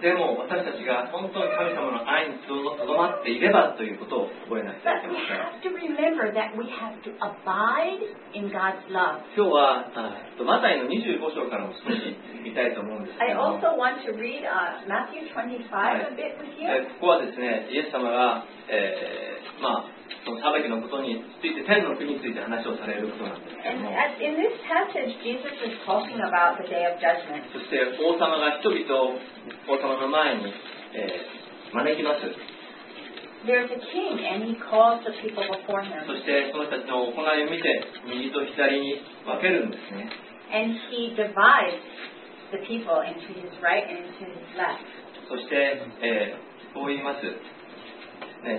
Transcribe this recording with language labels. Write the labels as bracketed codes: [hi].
[ja] でも私たちが本当に神様の愛にとどまっていればということを覚えなきゃいけません。 [en] But we have to remember that we have to abide in God's love. [ja] 今日はマタイの25章からも少し見たいと思うんですけど。 [en] I also want to read Matthew 25 a bit with you. [ja] ここはですね、イエス様が、まあ、その裁きのことについて天の国について話をされることなんですけども。 [en] And in this passage, Jesus is talking about the day of judgment. [ja] そして王様が人々を王様の前に、招きます。 [en] There's a king and he calls the people before him. [ja] そしてその人たちの行いを見て右と左に分けるんですね。 [en] And he divides the people into his right and into his left. [ja] そして、こう言います、ね。